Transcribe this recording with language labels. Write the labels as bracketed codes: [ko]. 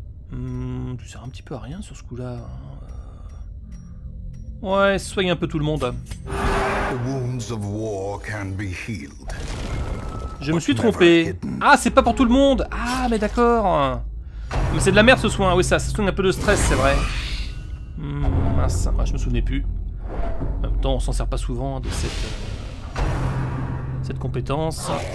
[fr] Tu sers un petit peu à rien sur ce coup-là. Ouais, soigne un peu tout le monde. [en] The wounds of war can be healed. [fr] Je me suis trompé. Ah, c'est pas pour tout le monde! Ah, mais d'accord! Mais c'est de la merde ce soin, oui, ça soigne un peu de stress, c'est vrai. Mince, ah, je me souvenais plus. En même temps, on s'en sert pas souvent de cette compétence.